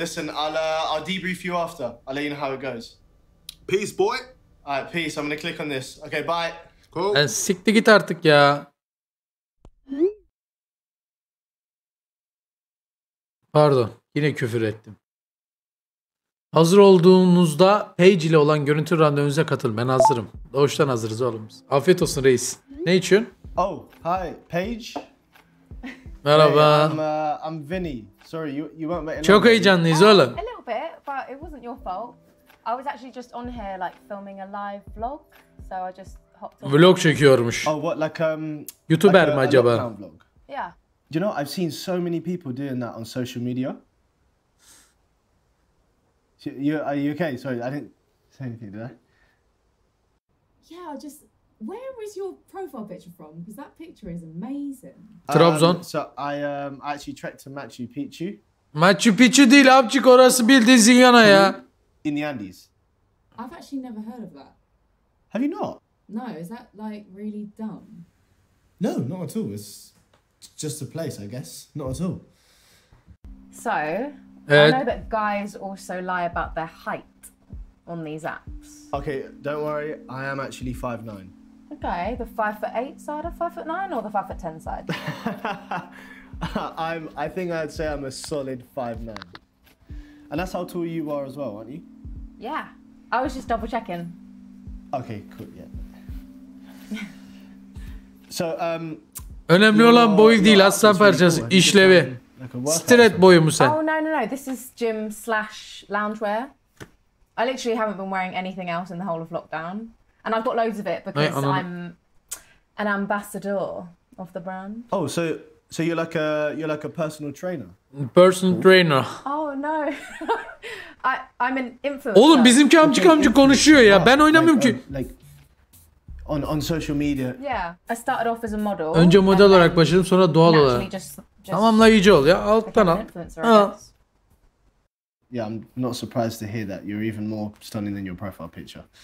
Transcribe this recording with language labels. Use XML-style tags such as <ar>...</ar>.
<en>Listen, I'll debrief you after. I'll let you know how it goes. Peace, boy. All right, peace. I'm going to click on this. Okay, bye. Cool.</en> <tr>Yani siktir git artık ya. Pardon, yine küfür ettim. Hazır olduğunuzda page ile olan görüntü randevunuza katıl. Ben hazırım. Doğuştan hazırız oğlum. Afiyet olsun reis. Ne için?</tr> <en>Oh, hi, Paige.</en> <tr>Merhaba.</tr> <en>Hey, I'm Vinny. Sorry, you weren't waiting.</en> <tr>Çok heyecanlıyız oğlum.</tr> <en>A little bit, but it wasn't your fault. I was actually just on here like filming a live vlog. So I just hopped on.</en> <tr>Vlog çekiyormuş.</tr> <en>Oh, what, like YouTuber like</en> <tr>mi acaba?</tr> <en>Vlog. Yeah. Do you know, I've seen so many people doing that on social media. Are you okay? Sorry, I didn't say anything, did I? Yeah, where is your profile picture from? Because that picture is amazing.</en> <tr>Trabzon.</tr> <en>So I actually trekked to Machu Picchu.</en> <tr>Machu Picchu değil, abicik orası bildiğin Zingana ya.</tr> <en>In the Andes. I've actually never heard of that. Have you not? No, is that like really dumb? No, not at all. It's just a place, I guess. Not at all. So, I know that guys also lie about their height on these apps. Okay, don't worry. I am actually 5'9". Okay, the 5'8" side of 5'9" or the 5'10" side? I think I'd say I'm a solid 5'9". And that's how tall you are as well, aren't you? Yeah. I was just double checking. Okay, cool. Yeah. So,</en> <tr>Önemli olan boy değil, aslan parçası, işlevi. Stret boyu mu sen?</tr> <en>Oh no, this is gym / loungewear. I literally haven't been wearing anything else in the whole of lockdown. And I've got loads of it because I'm an ambassador of the brand. Oh, so you're like a personal trainer? Personal trainer. Oh no. I'm an influencer.</en> <tr>Oğlum bizimki amcık konuşuyor ya, ben oynamıyorum ki.</tr> <en>On social media. Yeah, I started off as a model.</en> <tr>Önce model olarak başladım, sonra doğal olarak. Tamamlayıcı ol ya, alttan al.</tr> <en>Yeah, I'm not surprised to hear that. You're even more stunning than your profile picture.</en>